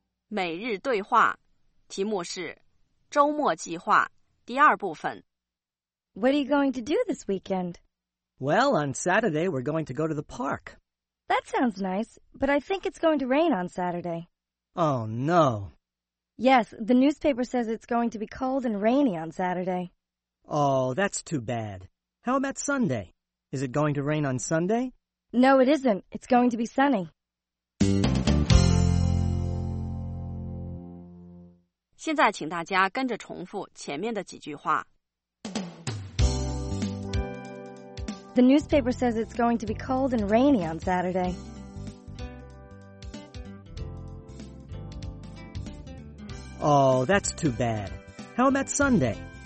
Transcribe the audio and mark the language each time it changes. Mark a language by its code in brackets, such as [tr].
[zh] 每日对话，题目是周末计划，第二部分。 [en] What are you going to do this weekend? Well, on Saturday, we're going to go to the park. That sounds nice, but I think it's going to rain on Saturday. Oh, no. Yes, the newspaper says it's going to be cold and rainy on Saturday. Oh, that's too bad. How about Sunday? Is it going to rain on Sunday? No, it isn't. It's going to be sunny. [zh] 现在请大家跟着重复前面的几句话。 [en] The newspaper says it's going to be cold and rainy on Saturday. Oh, that's too bad. How about Sunday?